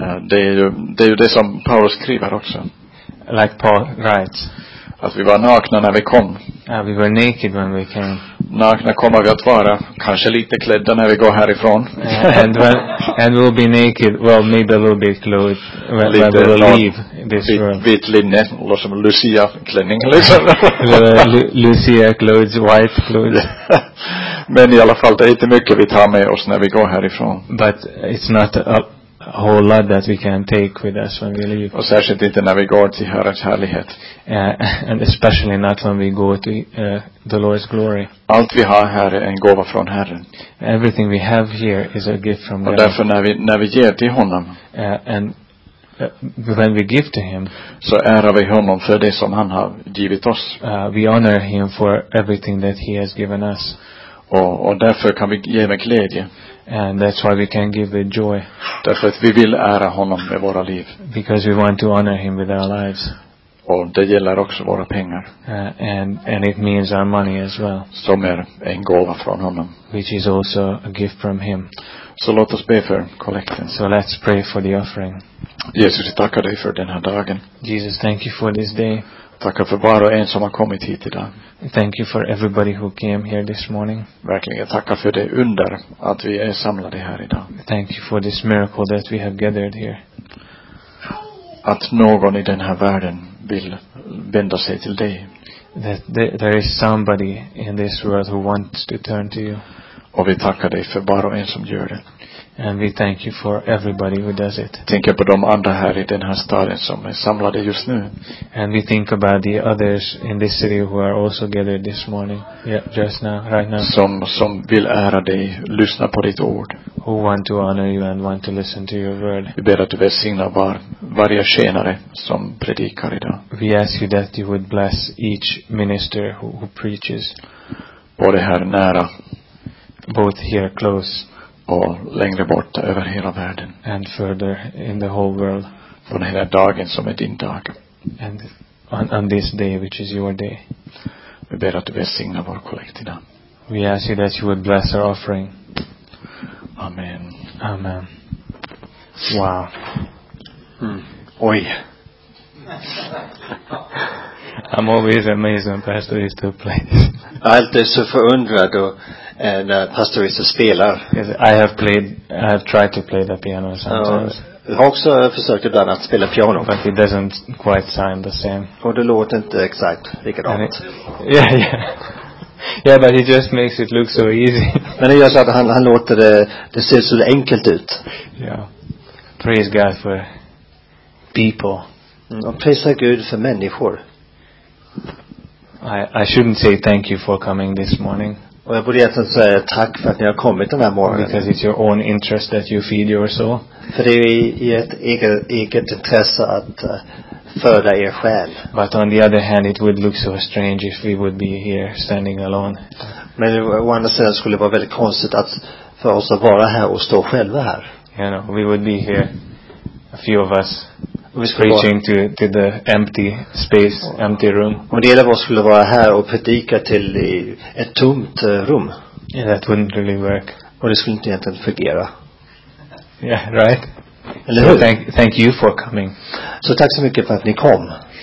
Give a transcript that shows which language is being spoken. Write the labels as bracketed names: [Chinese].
[Swedish] Det är ju det som Paulus skriver också. [English] Like Paul writes. [Swedish] Att vi var nakna när vi kom. [English] We were naked when we came. [Swedish] Nakna kommer vi att vara, kanske lite klädda när vi går härifrån. [English] And we'll be naked, well maybe a little bit clothed when we will leave this room. [Swedish] Vit linne, eller som Lucia klänning liksom. [English] Lucia clothes, white clothes. [Swedish] Men i alla fall, det är inte mycket vi tar med oss när vi går härifrån. [English] But it's not a whole lot that we can take with us when we leave. [Swedish] Och särskilt inte när vi går till Herrens härlighet. [English] And especially not when we go to the Lord's glory. [Swedish] Allt vi har här är en gåva från Herren. [English] Everything we have here is a gift from God. [Swedish] Och därför när vi ger till honom. [English] When we give to him. [Swedish] Så ärar vi honom för det som han har givit oss. [English] We honor him for everything that he has given us. [Swedish] Och därför kan vi ge med glädje. [English] And that's why we can give with joy. [Swedish] Därför att vi vill ära honom med våra liv. [English] Because we want to honor him with our lives. [Swedish] Och det gäller också våra pengar. [English] And it means our money as well. [Swedish] Som är en gåva från honom. [English] Which is also a gift from him. [Swedish] Så låt oss be för kollekten. [English] So let's pray for the offering. [Swedish] Jesus, jag tackar dig för den här dagen. [English] Jesus, thank you for this day. [Swedish] Tackar för var och en som har kommit hit idag. [English] Thank you for everybody who came here this morning. [Swedish] Verkligen, tackar för det under att vi är samlade här idag. [English] Thank you for this miracle that we have gathered here. [Swedish] Att någon i den här världen vill vända sig till dig. [English] That there is somebody in this world who wants to turn to you. [Swedish] Och vi tackar dig för var och en som gör det. [English] And we thank you for everybody who does it. [Swedish] Tänk på de andra här i den här staden som är samlade just nu. [English] And we think about the others in this city who are also gathered this morning. Yeah, just now, right now. [Swedish] Som vill ära dig, lyssna på ditt ord. [English] Who want to honor you and want to listen to your word. [Swedish] Vi ber att du välsignar varje tjänare som predikar idag. [English] We ask you that you would bless each minister who preaches. [Swedish] Både här nära. [English] Both here close. [Swedish] Och längre bort över hela världen. [English] And further in the whole world. [Swedish] På den här dagen som är din dag. [English] And on this day which is your day. [Swedish] Vi ber att du välsignar vår kollekt idag. [English] We ask you that you would bless our offering. Amen. Amen. Wow. [Swedish] Oj. [English] I'm always amazed when Pastor is to play. [Swedish] Alltid så förundrad då. [English] And Pastor is a [Swedish] spelar. [English] Yes, I have tried to play the piano sometimes. [Swedish] Jag också försökt ibland att spela piano. [English] But it doesn't quite sound the same. [Swedish] Och det låter inte exakt likadant. [English] Yeah, but he just makes it look so easy. [Swedish] Men det gör så att han låter det ser så enkelt ut. [English] Yeah. Praise God for people. [Swedish] Och prisa Gud för människor. [English] I shouldn't say thank you for coming this morning. [Swedish] Och jag borde egentligen säga tack för att ni har kommit den här morgonen. [English] Because it's your own interest that you feed your soul. [Swedish] För det är i ett eget intresse att föda er själ. [English] But on the other hand, it would look so strange if we would be here standing alone. [Swedish] Men å andra sidan skulle det vara väldigt konstigt att för oss att vara här och stå själva här. [English] You know, we would be here, a few of us. preaching to the empty space, empty room. [Swedish] Om det gäller vad skulle vara här och predika till ett tomt rum. [English] Yeah, that wouldn't really work. [Swedish] Och det skulle inte egentligen fungera. [English] Yeah, right. [Swedish] Eller [English] so thank you for coming. [Swedish] Så tack så mycket för att ni kom.